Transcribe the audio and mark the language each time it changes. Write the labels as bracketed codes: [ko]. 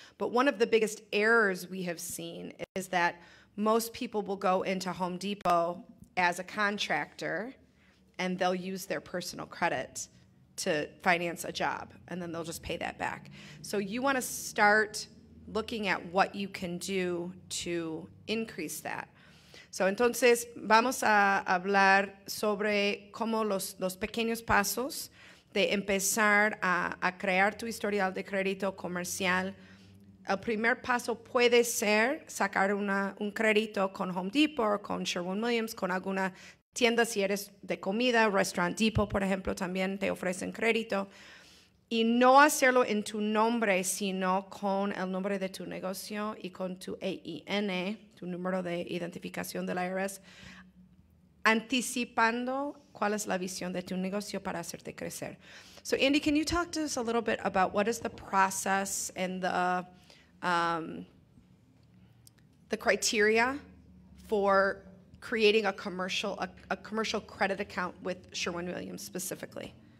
[en] But one of the biggest errors we have seen is that most people will go into Home Depot as a contractor, and they'll use their personal credit to finance a job, and then they'll just pay that back. So you want to start looking at what you can do to increase that. [es] So, entonces, vamos a hablar sobre cómo los pequeños pasos de empezar a crear tu historial de crédito comercial. El primer paso puede ser sacar un crédito con Home Depot, con Sherwin-Williams, con alguna tiendas si eres de comida, Restaurant Depot, por ejemplo, también te ofrecen crédito. Y no hacerlo en tu nombre, sino con el nombre de tu negocio y con tu EIN, tu número de identificación del IRS, anticipando cuál es la visión de tu negocio para hacerte crecer. [en] So, Andy, can you talk to us a little bit about what is the process and the criteria for creating a commercial credit account with Sherwin-Williams specifically?